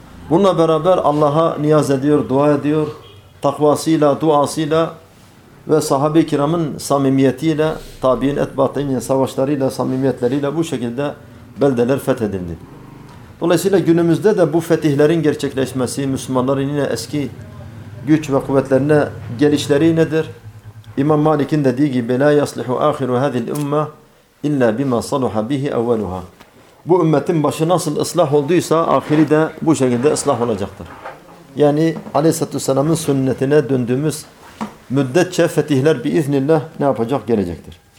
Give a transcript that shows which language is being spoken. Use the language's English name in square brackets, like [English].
[Turkish] Bununla beraber Allah'a niyaz ediyor, dua ediyor. Takvasıyla, duasıyla ve sahabe-i kiramın samimiyetiyle, tabi'in etbatı'nın savaşlarıyla, samimiyetleriyle bu şekilde beldeler fethedildi. Dolayısıyla günümüzde de bu fetihlerin gerçekleşmesi, Müslümanların yine eski güç ve kuvvetlerine gelişleri nedir? İmam Malik'in dediği gibi [Arabic] لَا يَصْلِحُ آخِرُ هَذِي الْاُمَّةِ اِلَّا بِمَا صَلُحَ بِهِ اَوَّلُهَا. [Turkish] Bu ümmetin başı nasıl ıslah olduysa ahiri de bu şekilde ıslah olacaktır. Yani Aleyhisselatü Vesselam'ın sünnetine döndüğümüz müddetçe fetihler biiznillah ne yapacak? Gelecektir.